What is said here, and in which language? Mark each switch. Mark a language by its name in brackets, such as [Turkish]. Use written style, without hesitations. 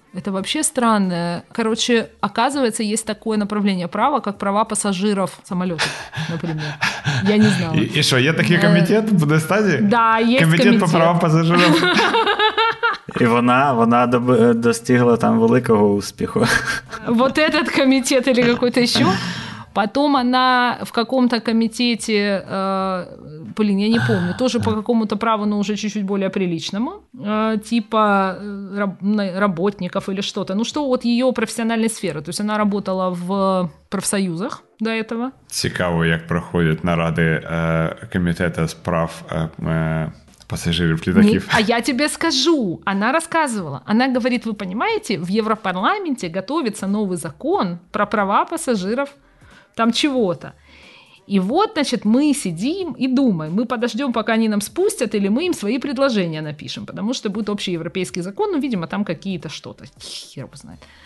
[Ukrainian] Це взагалі странне. Короче, оказывается, є таке направлення права, як права пасажирів самолітів, наприклад. Я не знала. І що, є такий комітет в Бундестазі? Да, є комітет. Комітет по правам пасажирів. І вона достигла там великого успіху. [Russian] Вот этот комитет или какой-то еще. Потом она в каком-то комитете, блин, я не помню, тоже по какому-то праву, но уже чуть-чуть более приличному, типа работников или что-то. Ну что вот ее профессиональная сфера, то есть она работала в профсоюзах до этого. [Ukrainian] Цікаво, як проходять наради комітету з прав пассажиров летаков. [Russian] А я тебе скажу, она рассказывала, она говорит, вы понимаете, в Европарламенте готовится новый закон про права пассажиров, там чего-то. И вот, значит, мы сидим и думаем, мы подождем, пока они нам спустят, или мы им свои предложения напишем, потому что будет общий европейский закон, ну, видимо, там какие-то что-то, хер его знает.